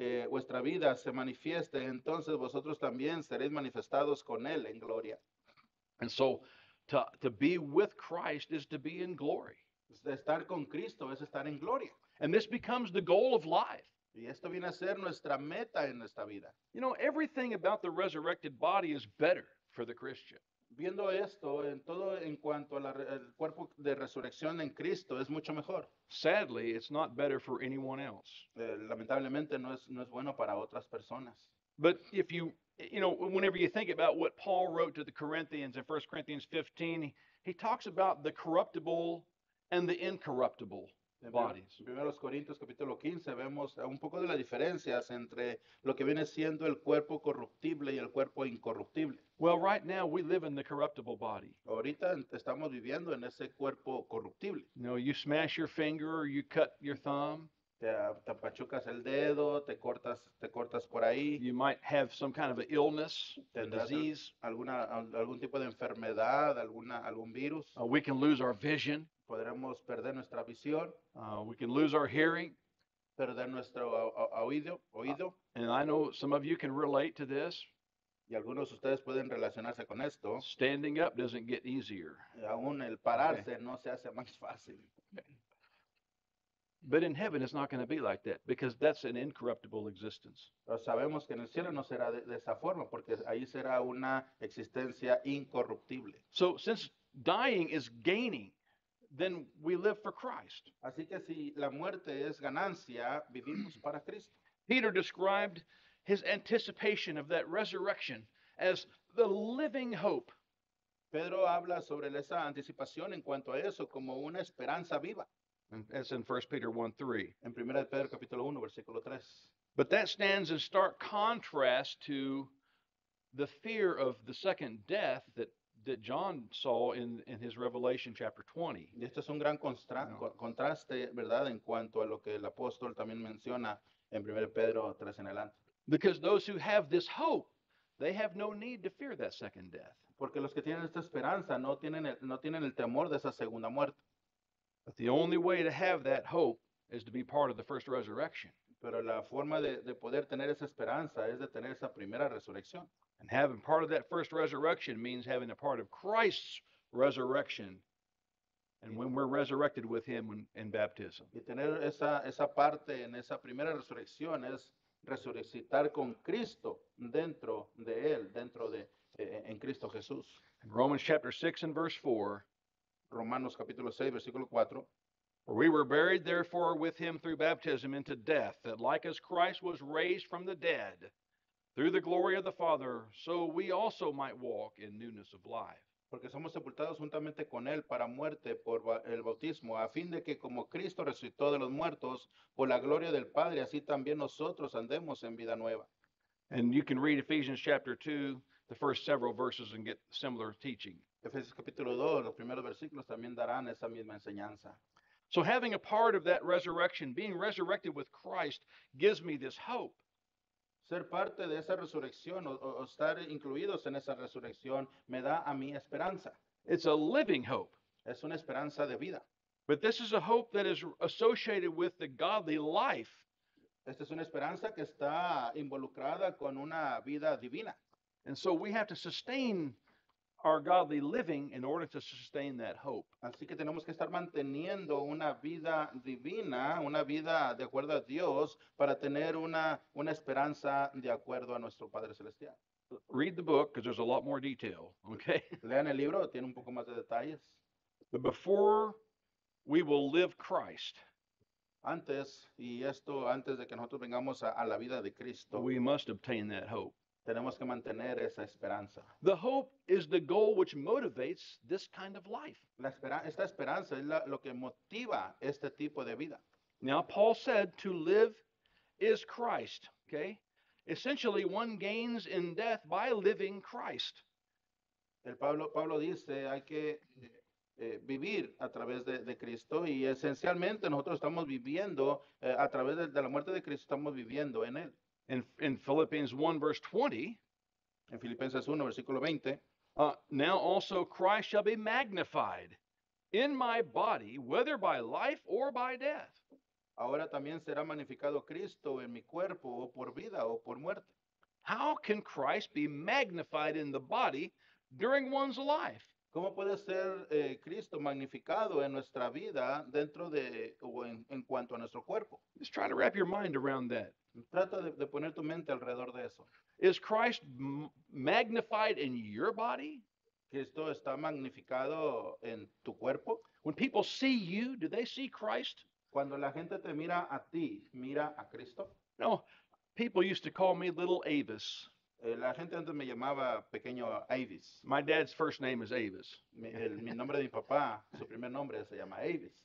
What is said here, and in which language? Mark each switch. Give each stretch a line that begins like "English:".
Spanish: vuestra vida se manifieste, entonces vosotros también seréis manifestados con él en gloria.
English: And so, to be with Christ is to be in glory.
Spanish: Estar con Cristo es estar en gloria.
English: And this becomes the goal of life.
Spanish: Y esto viene a ser nuestra meta en nuestra vida.
English: You know, everything about the resurrected body is better for the Christian.
Spanish: Viendo esto, en todo en cuanto al cuerpo de resurrección en Cristo, es mucho mejor.
English: Sadly, it's not better for anyone else.
Spanish: Lamentablemente, no es bueno para otras personas.
English: But if you know, whenever you think about what Paul wrote to the Corinthians in 1 Corinthians 15, he talks about the corruptible and the incorruptible bodies.
Spanish: En 1 Corintios capítulo 15 vemos un poco de las diferencias entre lo que viene siendo el cuerpo corruptible y el cuerpo incorruptible.
English: Well, right now we live in the corruptible body.
Spanish: Ahorita estamos viviendo en ese cuerpo corruptible.
English: You know, you smash your finger or you cut your thumb.
Spanish: Te apachucas el dedo, te cortas por ahí.
English: You might have some kind of an illness, disease.
Spanish: Algún tipo de enfermedad, algún virus.
English: We can lose our vision.
Spanish: Podremos perder nuestra visión.
English: We can lose our hearing.
Spanish: Perder nuestro oído.
English: And I know some of you can relate to this.
Spanish: Y algunos de ustedes pueden relacionarse con esto.
English: Standing up doesn't get easier.
Spanish: Y aún el pararse okay. No se hace más fácil.
English: But in heaven it's not going to be like that because that's an incorruptible existence.
Spanish: Pero sabemos que en el cielo no será de esa forma porque ahí será una existencia incorruptible.
English: So since dying is gaining, then we live for Christ.
Spanish: Así que si la muerte es ganancia, vivimos para Cristo.
English: Peter described his anticipation of that resurrection as the living hope.
Spanish: Pedro habla sobre esa anticipación en cuanto a eso como una esperanza viva.
English: As in 1 Peter 1:3.
Spanish: En Primera de Pedro capítulo 1 versículo 3.
English: But that stands in stark contrast to the fear of the second death that John saw in his Revelation chapter 20.
Spanish: Y esto es un gran contraste, ¿verdad?, en cuanto a lo que el apóstol también menciona en 1 Pedro 3 en adelante.
English: Because those who have this hope, they have no need to fear that second death.
Spanish: Porque los que tienen esta esperanza no tienen el temor de esa segunda muerte.
English: But the only way to have that hope is to be part of the first resurrection.
Spanish: Pero la forma de poder tener esa esperanza es de tener esa primera resurrección.
English: And having part of that first resurrection means having a part of Christ's resurrection. And when we're resurrected with him in baptism.
Spanish: Y tener esa parte en esa primera resurrección es resucitar con Cristo dentro de él, dentro de en Cristo Jesús.
English: In Romans chapter 6 and verse 4.
Spanish: Romanos capítulo 6, versículo 4.
English: We were buried therefore with him through baptism into death, that like as Christ was raised from the dead Through the glory of the Father, so we also might walk in newness of life.
Spanish: Porque somos sepultados juntamente con él para muerte por el bautismo, a fin de que como Cristo resucitó de los muertos por la gloria del Padre, así también nosotros andemos en vida nueva.
English: And you can read Ephesians chapter 2, the first several verses, and get similar teaching.
Spanish: Efesios capítulo 2, los primeros versículos también darán esa misma enseñanza.
English: So having a part of that resurrection, being resurrected with Christ, gives me this hope.
Spanish: Ser parte de esa resurrección o estar incluidos en esa resurrección me da a mí esperanza.
English: It's a living hope.
Spanish: Es una esperanza de vida.
English: But this is a hope that is associated with the godly life.
Spanish: Esta es una esperanza que está involucrada con una vida divina.
English: And so we have to sustain our godly living in order to sustain that hope.
Spanish: Así que tenemos que estar manteniendo una vida divina, una vida de acuerdo a Dios, para tener una esperanza de acuerdo a nuestro Padre Celestial.
English: Read the book, because there's a lot more detail, okay?
Spanish: Lean el libro, tiene un poco más de detalles.
English: But before we will live Christ,
Spanish: antes, y esto antes de que nosotros vengamos a la vida de Cristo,
English: we must obtain that hope.
Spanish: Tenemos que mantener esa esperanza.
English: The hope is the goal which motivates this kind of life.
Spanish: Esta esperanza es lo que motiva este tipo de vida.
English: Now, Paul said to live is Christ, okay? Essentially, one gains in death by living Christ.
Spanish: Pablo dice, hay que vivir a través de Cristo, y esencialmente nosotros estamos viviendo a través de la muerte de Cristo, estamos viviendo en él.
English: In Philippians 1, verse 20,
Spanish: en Filipenses 1, versículo 20,
English: now also Christ shall be magnified in my body, whether by life or by death.
Spanish: Ahora también será magnificado Cristo en mi cuerpo, o por vida o por muerte.
English: How can Christ be magnified in the body during one's life?
Spanish: ¿Cómo puede ser Cristo magnificado en nuestra vida dentro de, o en cuanto a nuestro cuerpo?
English: Just try to wrap your mind around that.
Spanish: Trata de poner tu mente alrededor de eso.
English: Is Christ magnified in your body?
Spanish: ¿Cristo está magnificado en tu cuerpo?
English: When people see you, do they see Christ?
Spanish: Cuando la gente te mira a ti, ¿mira a Cristo?
English: No, people used to call me Little Avis.
Spanish: La gente antes me llamaba pequeño Avis.
English: My dad's first name is Avis.
Spanish: Mi nombre de mi papá, su primer nombre se llama Avis.